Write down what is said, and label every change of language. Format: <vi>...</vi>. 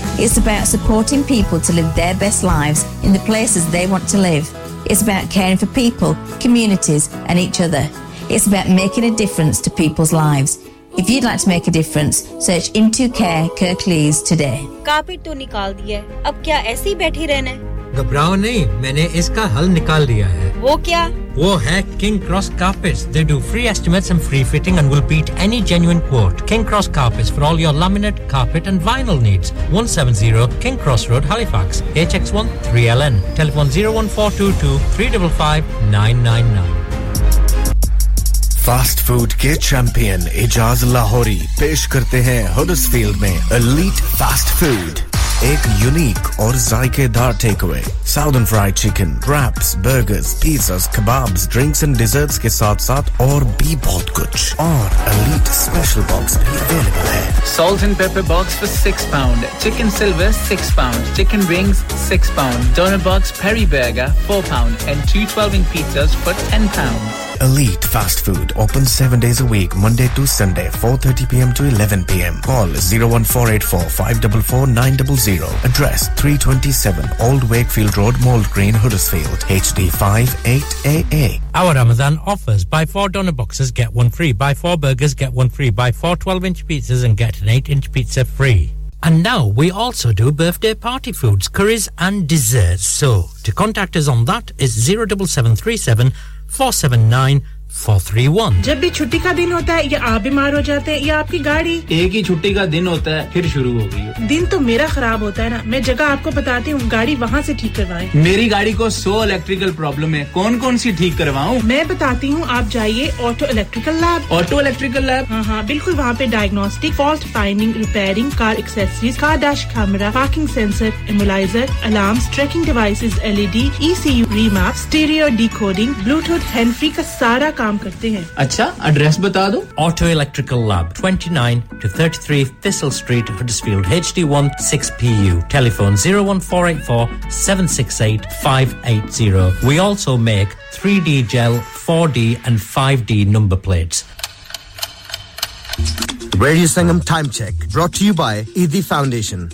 <en>It's about supporting people to live their best lives in the places they want to live. It's about caring for people, communities, and each other. It's about making a difference to people's lives. If you'd like to make a difference, search Into Care Kirklees today.</en> <hi>Carpet to nikal diya hai. Ab kya aise hi baithi rehna hai? घबराओ नहीं मैंने इसका हल निकाल दिया है वो क्या वो है</hi> <en>King Cross Carpets they do free estimates and free fitting and will beat any genuine quote King Cross Carpets for all your laminate carpet and vinyl needs 170 King Cross Road Halifax HX1 3LN telephone 01422 355 999</en> <hi>fast food के champion Ijaz Lahori पेश करते हैं Huddersfield में elite fast food एक unique और जायकेदार takeaway southern fried chicken raps burgers pizzas kebabs drinks and desserts के साथ-साथ और भी बहुत कुछ और एलीट स्पेशल बॉक्स भी अवेलेबल है</hi> <en>Salt and pepper box for 6 pound chicken silver 6 pound chicken rings 6 pound doner box peri burger 4 pound and 2 12 inch pizzas for 10 pound Elite Fast Food, open 7 days a week, Monday to Sunday, 4:30 p.m. to 11 p.m. Call 01484-544-900. Address 327 Old Wakefield Road, Mould Green, Huddersfield, HD58AA. Our Ramadan offers, buy 4 donor boxes, get one free, buy 4 burgers, get one free, buy 4 12-inch pizzas and get an 8-inch pizza free. And now we also do birthday party foods, curries and desserts. So, to contact us on that is 07737 479-431</en> <hi>जब भी छुट्टी का दिन होता है या आप बीमार हो जाते हैं या आपकी गाड़ी एक ही छुट्टी का दिन होता है फिर शुरू हो गई दिन तो मेरा खराब होता है ना मैं जगह आपको बताती हूँ गाड़ी वहाँ से ठीक करवाएं मेरी गाड़ी को 100 इलेक्ट्रिकल प्रॉब्लम है कौन-कौन सी ठीक करवाऊं मैं बताती हूँ आप जाइए ऑटो इलेक्ट्रिकल लैब हां बिल्कुल वहां पे diagnostic fault finding repairing car accessories car dash camera parking sensor immobiliser alarms trekking devices LED ECU remap stereo decoding Bluetooth hands-free का सारा काम करते हैं अच्छा एड्रेस बता दो</hi> <en>Auto electrical lab 29 to 33 फिसल street Huddersfield HD1 6PU telephone 01484 768 580 we also make 3D jail 4D and 5D number plates Radio Sangam Time Check brought to you by Eidi Foundation.</en>